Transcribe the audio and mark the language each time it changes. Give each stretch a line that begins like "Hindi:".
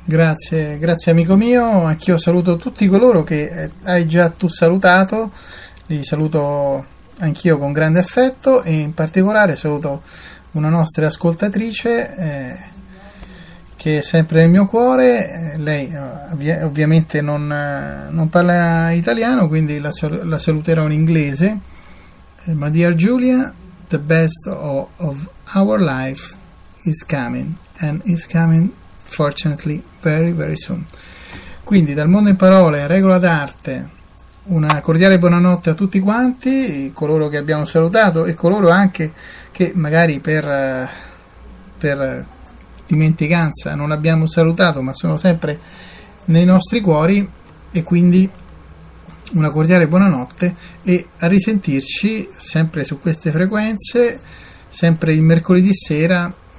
Italian: Grazie, grazie amico mio, anch'io saluto tutti coloro che hai già tu salutato, li saluto anch'io con grande affetto e in particolare saluto una nostra ascoltatrice che è sempre nel mio cuore, lei ovviamente non parla italiano, quindi la saluterò in inglese.
English: My dear Julia, the best of our life is coming and is coming. Fortunately, very very soon.
Italian: Quindi, dal mondo in parole, regola d'arte, una cordiale buonanotte a tutti quanti, coloro che abbiamo salutato e coloro anche che magari per dimenticanza non abbiamo salutato, ma sono sempre nei nostri cuori, e quindi una cordiale buonanotte e a risentirci sempre su queste frequenze, sempre il mercoledì sera.